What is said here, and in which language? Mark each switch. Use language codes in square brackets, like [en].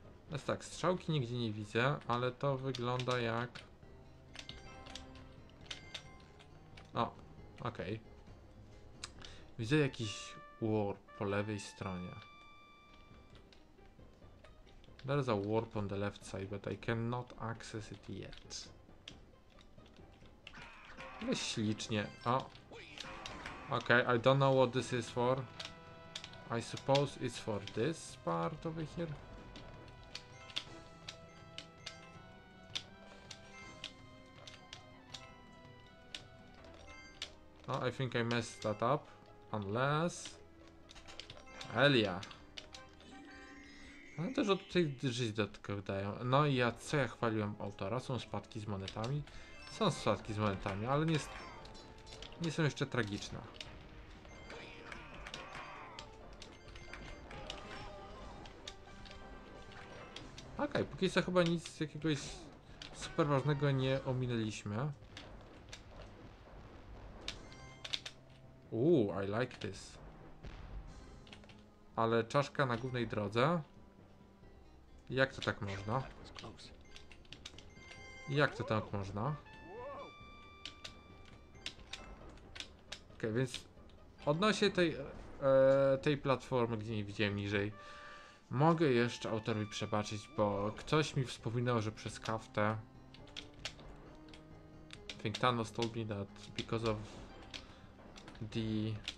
[pl] No tak, strzałki nigdzie nie widzę, ale to wygląda jak... O, okej. Okay. Widzę jakiś warp po lewej stronie. [en] There is a warp on the left side, but I cannot access it yet. [pl] Ale ślicznie. [en] O. Okay, I don't know what this is for. I suppose it's for this part over here. Oh, I think I messed that up. Unless... Hell yeah. [pl] Ale też od tej żyć dodatkowo dają. No i ja co ja chwaliłem autora? Są spadki z monetami. Są spadki z monetami, ale nie są jeszcze tragiczne. Okej, okay, póki co chyba nic jakiegoś super ważnego nie ominęliśmy. [en] I like this. [pl] Ale czaszka na głównej drodze. Jak to tak można? Jak to tak można? Ok, więc odnośnie tej platformy, gdzie nie widziałem niżej, mogę jeszcze autorowi przebaczyć, bo ktoś mi wspominał, że przez kaftę. [en] I think Thanos told me that because of the...